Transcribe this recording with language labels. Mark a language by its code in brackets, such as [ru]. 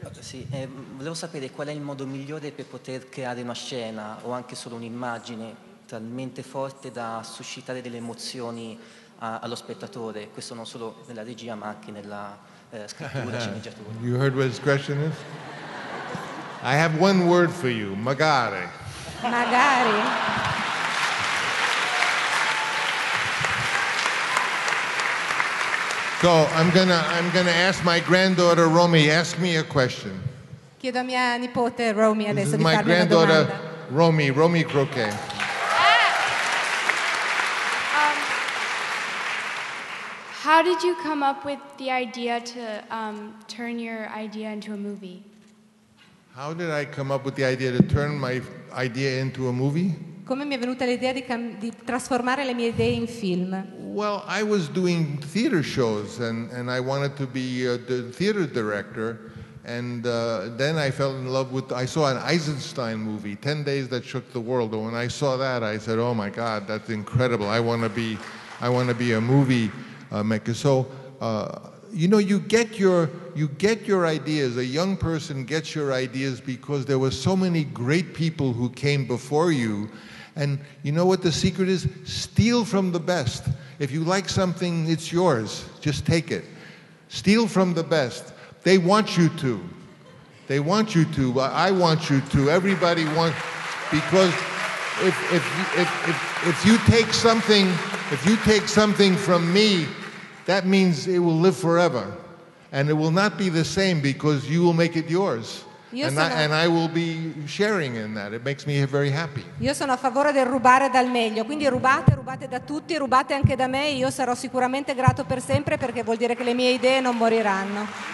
[it] Sì, volevo sapere qual è il modo migliore per poter creare una scena o anche solo un'immagine talmente forte da suscitare delle emozioni allo spettatore, questo non solo nella regia ma anche nella scrittura, sceneggiatura. [en] You heard what his question is? I have one word for you, magari. [it] Magari. [en] So I'm gonna ask my granddaughter Romy, ask me a question. [it] Chiedo a mia nipote Romy adesso di farmi una domanda. [en] My granddaughter Romy, Romy Croquet. How did you come up with the idea to turn your idea into a movie? How did I come up with the idea to turn my idea into a movie? [it] Come mi è venuta l'idea di trasformare le mie idee in film? [en] Well, I was doing theater shows and I wanted to be the theater director and then I fell in love with, I saw an Eisenstein movie, 10 Days That Shook the World, and when I saw that I said, oh my God, that's incredible, I want to be a movie maker. So, you know, you get your ideas, a young person gets your ideas because there were so many great people who came before you. And you know what the secret is? Steal from the best. If you like something, it's yours. Just take it. Steal from the best. They want you to. They want you to. I want you to. Everybody wants. Because if you take something from me, that means it will live forever. And it will not be the same because you will make it yours. And I will be sharing in that. It makes me very happy. [it] Io sono a favore del rubare dal meglio, quindi rubate da tutti, rubate anche da me, io sarò sicuramente grato per sempre perché vuol dire che le mie idee non moriranno.